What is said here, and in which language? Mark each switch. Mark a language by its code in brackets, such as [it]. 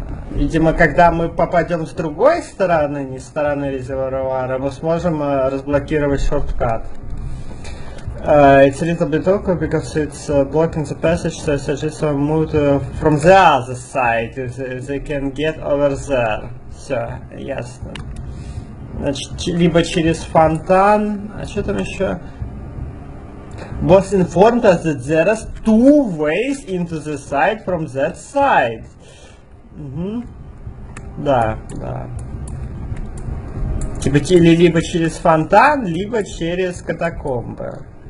[ru] Видимо, когда мы попадем с другой стороны, не стороны резервуара, мы сможем разблокировать шорткат. [en] It's a little bit awkward because it's blocking the passage, so I suggest we move to, from the other side, if they can get over there. [ru] Все, ясно. Значит, либо через фонтан. А что там еще? [en] Was informed that there are two ways into the site from that side. [ru] Да. Типа либо через фонтан, либо через катакомбы.